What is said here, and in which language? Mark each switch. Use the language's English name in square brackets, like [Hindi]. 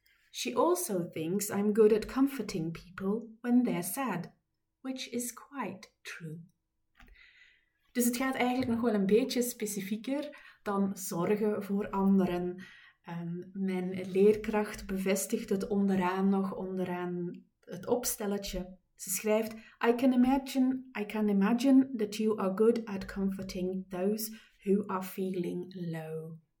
[English] She also thinks I'm good at comforting people when they're sad, which is quite true. [Dutch] Dus het gaat eigenlijk nog wel een beetje specifieker dan zorgen voor anderen. Mijn leerkracht bevestigt het onderaan het opstelletje. Ze schrijft: [English] I can imagine that you are good at comforting those who are feeling low.